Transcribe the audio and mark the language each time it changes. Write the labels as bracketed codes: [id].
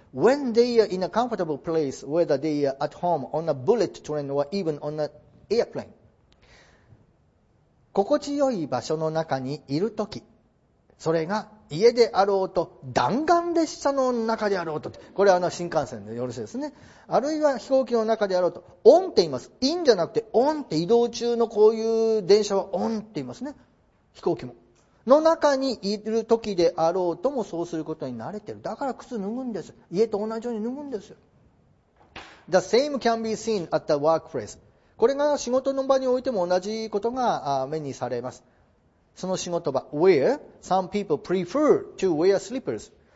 [en] When they are in a comfortable place, whether they are at home on a bullet train or even on an airplane, [ja] 心地よい場所の中にいるとき、それが家であろうと弾丸列車の中であろうと、これは新幹線でよろしいですね、あるいは飛行機の中であろうと、オンって言います。インじゃなくてオンって、移動中のこういう電車はオンって言いますね、飛行機も。の中にいる時であろうともそうすることに慣れている。だから靴脱ぐんです。家と同じように脱ぐんですよ。 [en] The same can be seen at the workplace. [ja] これが仕事の場においても同じことが目にされます。その仕事場、 [en] where some people prefer to wear slippers.